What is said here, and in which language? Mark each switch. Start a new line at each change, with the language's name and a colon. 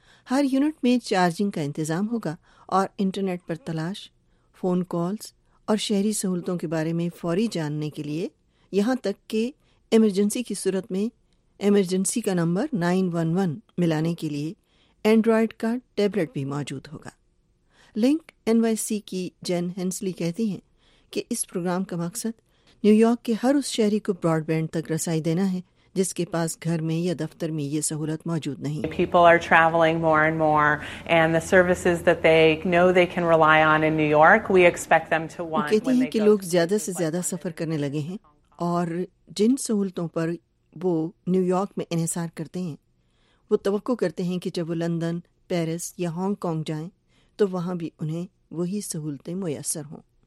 Urdu: ہر unit میں charging کا انتظام ہوگا، اور انٹرنیٹ پر تلاش، فون کالز اور شہری سہولتوں کے بارے میں فوری جاننے کے لیے، یہاں تک کہ ایمرجنسی کی صورت میں ایمرجنسی کا نمبر 911 ملانے کے لیے اینڈرائڈ کا ٹیبلٹ بھی موجود ہوگا۔ لنک NYC کی جین ہینسلی کہتی ہیں کہ اس پروگرام کا مقصد نیو یارک کے ہر اس شہری کو براڈ بینڈ تک رسائی دینا ہے جس کے پاس گھر میں یا دفتر میں یہ سہولت موجود نہیں.
English: People are traveling more and more and the services that they know they can rely on in New York, we expect them to want.
Urdu: کہتے ہیں کہ لوگ زیادہ سے زیادہ سفر کرنے لگے ہیں اور جن سہولتوں پر وہ نیو یارک میں انحصار کرتے ہیں وہ توقع کرتے ہیں کہ جب وہ لندن، پیرس یا ہانگ کانگ جائیں تو وہاں بھی انہیں وہی سہولتیں میسر ہوں.